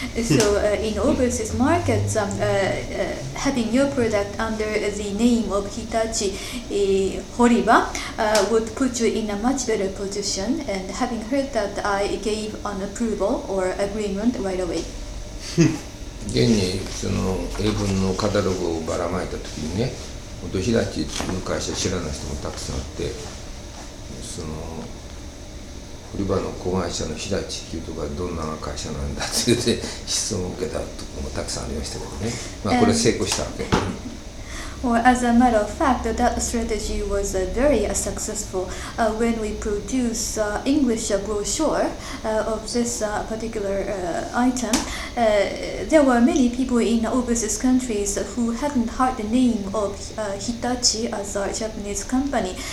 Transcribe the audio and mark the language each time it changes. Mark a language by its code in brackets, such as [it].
[en] So in overseas markets, having your product under the name of Hitachi Horiba would put you in a much better position. And having heard that, I gave an approval or agreement right away. [ja] 現にその英文のカタログをばらまいた時にね、本当日立っていう会社知らない人もたくさんあって、その堀場の子会社の日立っていうとこはどんな会社なんだっていう質問を受けたとこもたくさんありましたけどね、まあこれ成功したわけ。 [en] Well, as a matter of fact, that strategy was very successful. When we produce English brochure of this particular item, there were many people in overseas countries who hadn't heard the name of Hitachi as a Japanese company.